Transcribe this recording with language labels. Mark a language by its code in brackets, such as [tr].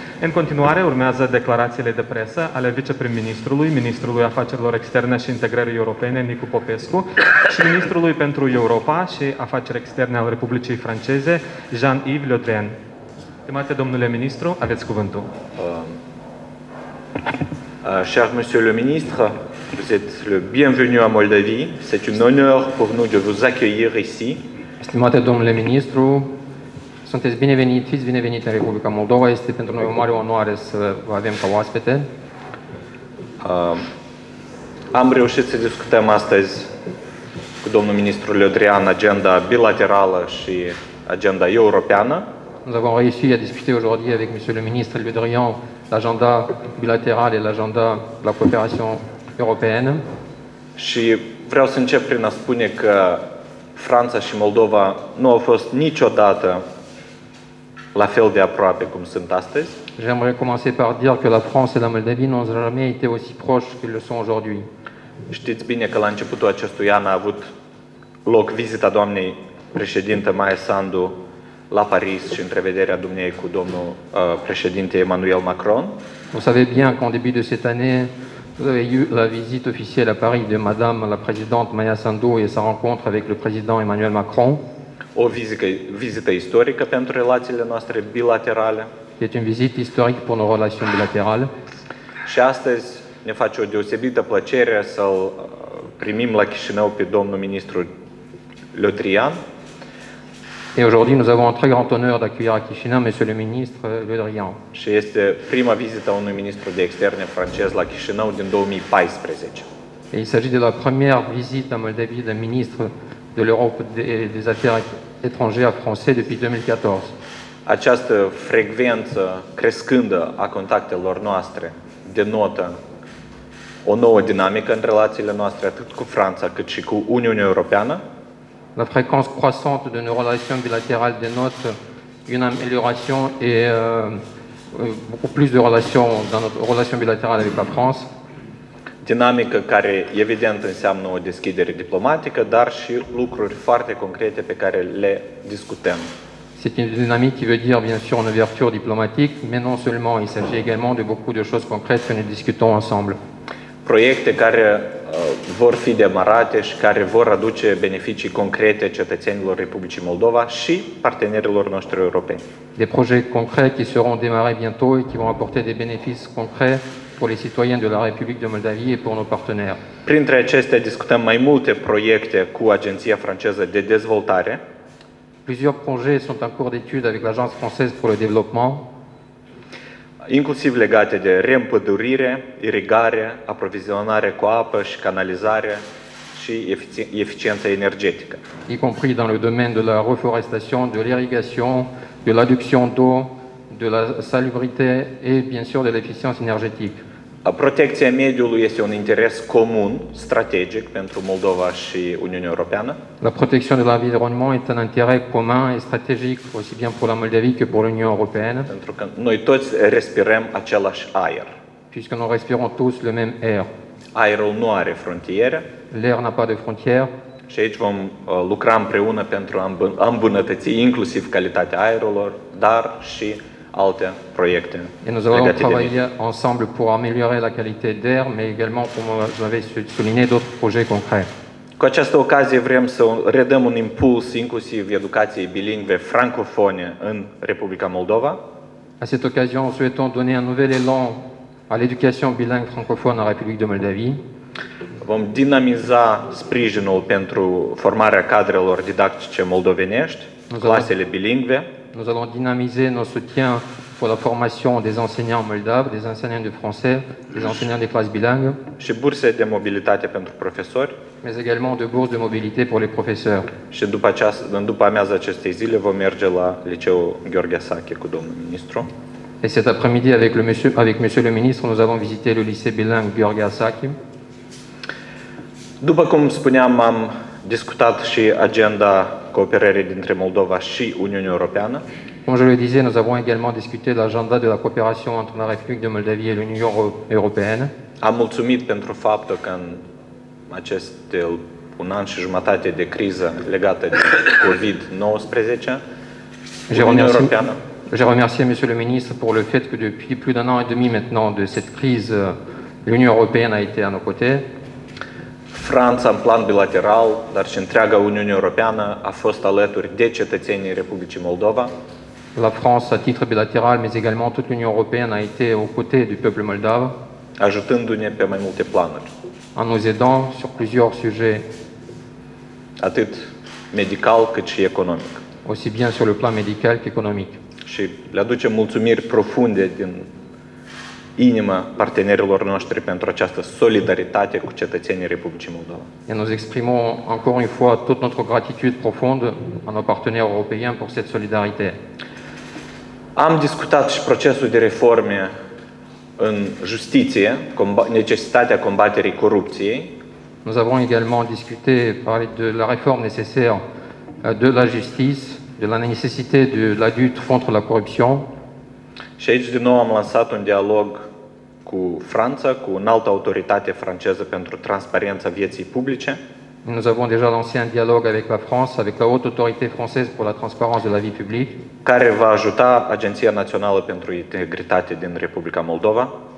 [ro] În continuare urmează declarațiile de presă ale vicepreministrului, ministrului Afacerilor Externe și Integrării Europene, Nicu Popescu, și ministrului pentru Europa și Afaceri Externe al Republicii Franceze, Jean-Yves Le Drian. Stimate domnule ministru, aveți cuvântul. [fr] Cher monsieur le ministre, vous êtes le bienvenu à Moldavie. C'est un honneur pour nous de vous accueillir ici. [ro] Stimate domnule ministru, sunteți binevenit, fiți binevenit în Republica Moldova. Este pentru noi o mare onoare să vă avem ca oaspete. Am reușit să discutăm astăzi cu domnul ministru Le Drian agenda bilaterală și agenda europeană. [fr] Nous avons réussi à discuter aujourd'hui avec monsieur le ministre Le Drian l'agenda bilatéral et l'agenda de la coopération européenne. [ro] Și vreau să încep prin a spune că Franța și Moldova nu au fost niciodată la fel de aproape cum sunt astăzi. [fr] J'aimerais commencer par dire que la France et la Moldavie n'ont jamais été aussi proches qu'ils le sont aujourd'hui. [ro] Știți bine că la începutul acestui an a avut loc vizita doamnei președinte Maia Sandu la Paris și întrevederea dumnei cu domnul președinte Emmanuel Macron. [fr] Vous savez bien qu'en début de cette année, vous avez eu la visite officielle à Paris de madame la présidente Maia Sandu et sa rencontre avec le président Emmanuel Macron. [ro] O vizită istorică pentru relațiile noastre bilaterale. [fr] C'est une visite historique pour nos relations bilatérales. [ro] Și astăzi ne face o deosebită plăcere să îl primim la Chișinău pe domnul ministru Le Drian. [fr] Et aujourd'hui, nous avons un très grand honneur d'accueillir à Chișinău monsieur le ministre Le Drian. [ro] Și este prima vizită a unui ministru de externe francez la Chișinău din 2014. [fr] Et il s'agit de la première visite en Moldavie d'un ministre de l'Europe et des affaires étrangères français depuis 2014. [ro] Această frecvență crescândă a contactelor noastre denotă o nouă dinamică în relațiile noastre atât cu Franța, cât și cu Uniunea Europeană. [fr] La fréquence croissante de nos relations bilatérales dénote une amélioration et beaucoup plus de relations dans notre relation bilatérale avec la France. [ro] Dinamică care evident înseamnă o deschidere diplomatică, dar și lucruri foarte concrete pe care le discutăm. [fr] C'est une dynamique qui veut dire bien sûr une ouverture diplomatique, mais non seulement, il s'agit également de beaucoup de choses concrètes que nous discutons ensemble. [ro] Proiecte care vor fi demarate și care vor aduce beneficii concrete cetățenilor Republicii Moldova și partenerilor noștri europeni. [fr] Des projets concrets qui seront démarrés bientôt et qui vont apporter des bénéfices concrets pour les citoyens de la République de Moldavie et pour nos partenaires. [ro] Printre acestea discutăm mai multe proiecte cu Agenția franceză de dezvoltare. [fr] Plusieurs projets sont en cours d'étude avec l'Agence française pour le développement. [ro] Inclusiv legate de reîmpădurire, irigare, aprovizionare cu apă și canalizare și eficiența energetică. [fr] Y compris dans le domaine de la reforestation, de l'irrigation, de l'adduction d'eau, de la salubrité et bien sûr de l' [ro] eficiență energetică. Protecția mediului este un interes comun strategic pentru Moldova și Uniunea Europeană. [fr] La protection de l'environnement est un intérêt commun et stratégique aussi bien pour la Moldavie que pour l'Union Européenne. [ro] Pentru că noi toți respirăm același aer. [fr] Puisque nous respirons tous le même air. [ro] Aerul nu are frontiere. [fr] L'air n'a pas de frontières. [ro] Și aici vom lucra împreună pentru a îmbunătăți inclusiv calitatea aerului, dar și alte proiecte. [fr] Et nous allons travailler ensemble pour améliorer la qualité d'air, mais également, comme vous avez souligné, d'autres projets concrets. [ro] Cu această ocazie vrem să redăm un impuls inclusiv educației bilingve francofone în Republica Moldova. [fr] À cette occasion, nous souhaitons donner un nouvel élan à l'éducation bilingue francophone en République de Moldavie. [ro] Vom dinamiza sprijinul pentru formarea cadrelor didactice moldovenești, clasele bilingve. [fr] Nous allons dynamiser nos soutiens pour la formation des enseignants moldaves, des enseignants de français, des enseignants des classes bilingues. [ro] Și burse de mobilitate pentru profesori. [fr] Mais également de bourses de mobilité pour les professeurs. [ro] Și după amiază acestei zile vom merge la liceul Gheorghe Sache cu domnul ministru. [fr] Et cet après-midi avec monsieur le ministre, nous allons visiter le lycée bilingue Gheorghe Sache. [ro] După cum spuneam, am discutat și agenda cooperării dintre Moldova și Uniunea Europeană. [fr] Cum je le disais, nous avons également discuté l'agenda de la coopération entre la République de Moldavie et l'Union Européenne. [ro] Am mulțumit pentru faptul că în aceste un an și jumătate de criză legată de COVID-19. [fr] Je remercie monsieur le ministre pour le fait que depuis plus d'un an et demi maintenant de cette crise, l'Union européenne a été à nos côtés. [ro] Franța în plan bilateral, dar și întreaga Uniune Europeană a fost alături de cetățenii Republicii Moldova. [fr] La France à titre bilatéral, mais également toute l'Union européenne a été aux côtés du peuple moldave, [ro] ajutându-ne pe mai multe planuri. [fr] En nous aidant sur plusieurs sujets, [ro] atât medical cât și economic. [fr] Aussi bien sur le plan médical qu'économique. [ro] Și le aducem mulțumiri profunde din inima partenerilor noștri pentru această solidaritate cu cetățenii Republicii Moldova. [fr] Et nous exprimons encore une fois toute notre gratitude profonde à nos partenaires européens pour cette solidarité. [ro] Am discutat și procesul de reforme în justiție, necesitatea combaterii corupției. [fr] Nous avons également discuté parler de la réforme nécessaire de la justice, de la nécessité de la lutte contre la corruption. [ro] Și aici din nou am lansat un dialog cu Franța, cu o altă autoritate franceză pentru transparența vieții publice. [fr] Nous avons déjà lancé un dialogue avec la France, avec la haute autorité française pour la transparence de la vie publique. [ro] Care va ajuta Agenția Națională pentru Integritate din Republica Moldova.